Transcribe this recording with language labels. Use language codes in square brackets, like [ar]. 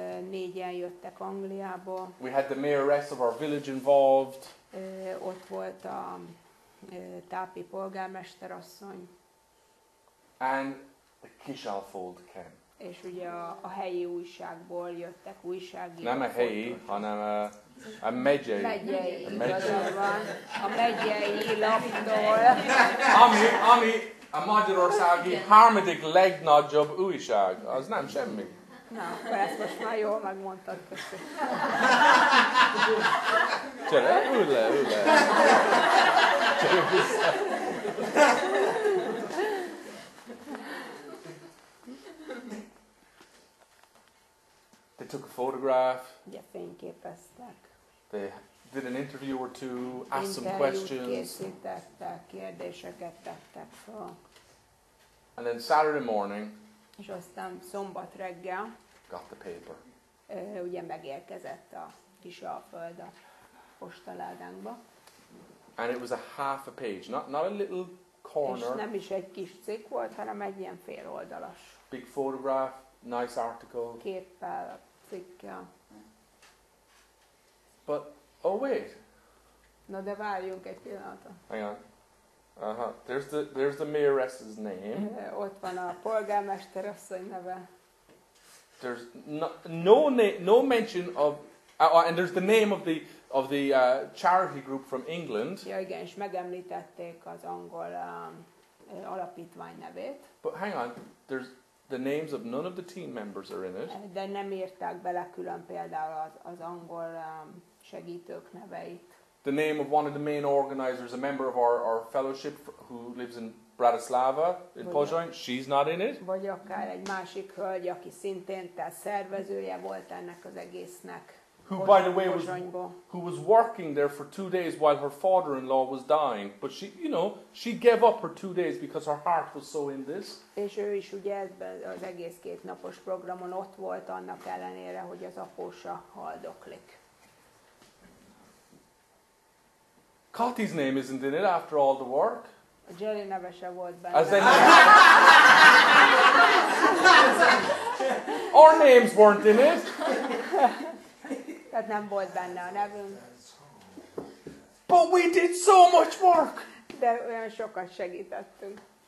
[hu] Négyen jöttek Angliából. [en] We had the mayoress of our village involved. [hu] Ott volt a tápi polgármesterasszony. [en] And the kisalföld came. [hu] És ugye a helyi újságból jöttek újságírók. Nem a helyi, hanem a megyei. A megyei laptól. Ami a magyarországi harmadik legnagyobb újság. Az nem semmi. Na, akkor ezt most már jól megmondtad, köszönöm. Csere, ülj le. [en] They took a photograph. [hu] Yeah, fényképeztek. [en] They did an interview or two, asked some questions. [hu] Készítettek, kérdéseket tettek fel. [en] And then Saturday morning. [hu] És aztán szombat reggel. [en] Got the paper. [hu] Ugye megérkezett a Viselföld a postaládánkba. [en] And it was a half a page, not a little corner. [hu] És nem is egy kis cikk volt, hanem egy ilyen fél oldalas. [en] Big photograph, nice article. [hu] Képpel. Cikkel. [en] But, oh wait. [hu] Na, de várjunk egy pillanatot. [en] Hang on. Uh-huh. There's the mayoress's name. [hu] Ott van a polgármester asszony neve. [en] There's no mention of, and there's the name of the charity group from England. [hu] Ja, igen, és megemlítették az angol alapítvány nevét. [en] But hang on, there's the names of none of the team members are in it. [hu] De nem írták bele külön például az angol segítők neveit. [en] The name of one of the main organizers, a member of our fellowship who lives in Bratislava, in Pozsony, she's not in it. [hu] Vagy akár egy másik hölgy, aki szintén szervezője volt ennek az egésznek. [en] Who, by the way, was working there for 2 days while her father-in-law was dying. But she, you know, she gave up her 2 days because her heart was so in this. [hu] És ő is ugye az egész két napos programon ott volt annak ellenére, hogy az apósa haldoklik. [en] Kati's name isn't in it after all the work. [hu] A Gerry neve sem volt benne. [en] Our names weren't in it. [hu] Tehát nem volt benne a nevünk. [en] But we did so much work. [hu] De olyan sokat segítettünk.